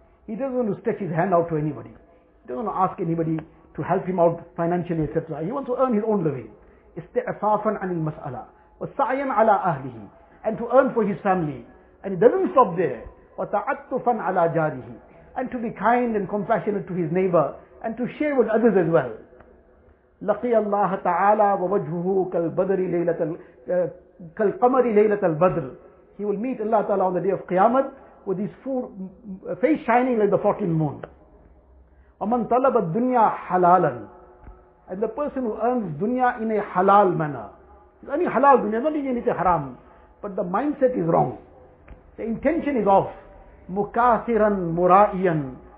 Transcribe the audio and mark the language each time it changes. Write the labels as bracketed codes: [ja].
[en] He doesn't want to stretch his hand out to anybody. He doesn't want to ask anybody to help him out financially, etc. He wants to earn his own living. [ar] Isti'fafan anil mas'ala. Wa sa'yan ala ahlihi. [en] And to earn for his family. And he doesn't stop there. [ar] Wa ta'attufan ala jarihi. [en] And to be kind and compassionate to his neighbor. And to share with others as well. [ar] لقي الله تعالى ووجهه كالبدر ليلة كالقمر ليلة البدر. [en] He will meet Allah Ta'ala on the day of Qiyamah with his full face shining like the 14th moon. [ar] ومن طلب الدنيا حلالا. [en] And the person who earns dunya in a halal manner. It's only halal dunya, not even anything haram. But the mindset is wrong. The intention is off. [ar] مكاثرا مرائيا.